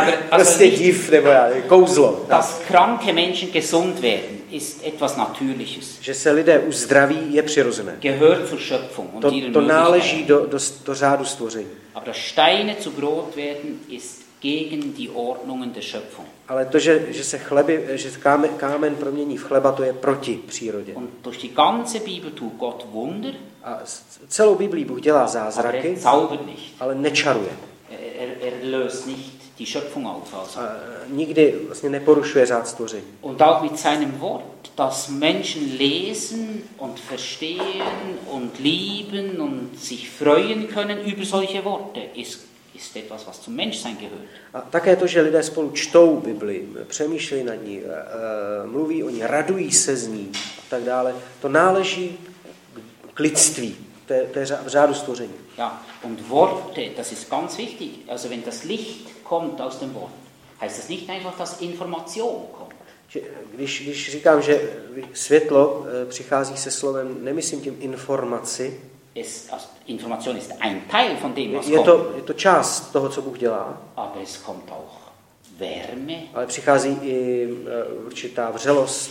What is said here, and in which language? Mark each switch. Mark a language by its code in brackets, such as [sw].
[cs] Prostě div, nebo já, kouzlo. [de] Dass kranke Menschen gesund werden, ist etwas Natürliches. [cs] Že se lidé uzdraví, je přirozené. [de] Gehört zur Schöpfung. [cs] To náleží do řádu stvoření. [de] Aber dass Steine zu Brot werden, ist gegen die Ordnungen der Schöpfung. [cs] Ale to, že se chleby, že kámen promění v chleba, to je proti přírodě. [de] Und durch die ganze Bibel tut Gott Wunder. [cs] A celou Biblí Bůh dělá zázraky, ale nečaruje. [de] Er löst nicht die Schöpfung auf, also. [cs] Nikdy vlastně neporušuje řád stvoření. [de] Und auch mit seinem Wort, das Menschen lesen und verstehen und lieben und sich freuen können über solche Worte, ist etwas, was zum Menschsein gehört. [cs] A také to, že lidé spolu čtou Bibli, přemýšlí nad ní, mluví o ní, radují se z ní a tak dále, to náleží k lidství, to je v řádu stvoření. [de] Ja, und Worte, das ist ganz wichtig. Also wenn das Licht kommt aus dem Wort, heißt das nicht einfach, dass Information kommt. [cs] Když říkám, že světlo přichází se slovem, nemyslím tím informaci. [de] Information ist ein Teil von dem, was kommt. [cs] Je to část toho, co Bůh dělá. [de] Aber es kommt auch Wärme. [cs] Ale přichází i určitá vřelost,